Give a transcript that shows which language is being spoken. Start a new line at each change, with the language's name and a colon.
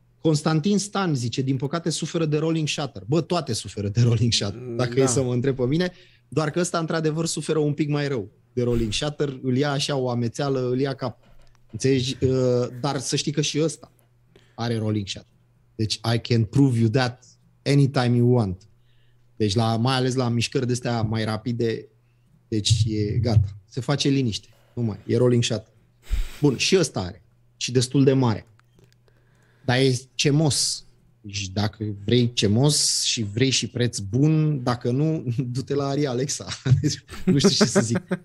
Romanian: Constantin Stan zice, din păcate suferă de rolling shutter. Bă, toate suferă de rolling shutter, dacă da. E să mă întreb pe mine. Doar că ăsta, într-adevăr, suferă un pic mai rău de rolling shutter. Îl ia așa o amețeală, îl ia cap. Înțelegi? Dar să știi că și ăsta are rolling shutter. Deci,
English: I can prove you that anytime you want.
Romanian: Deci, la, mai ales la mișcări de-astea mai rapide, deci e gata. Se face liniște. Nu mai. E rolling shutter. Bun, și ăsta are. Și destul de mare. Dar e cemos. Deci, dacă vrei cemos și vrei și preț bun, dacă nu, du-te la Aria Alexa. Nu știu ce să zic.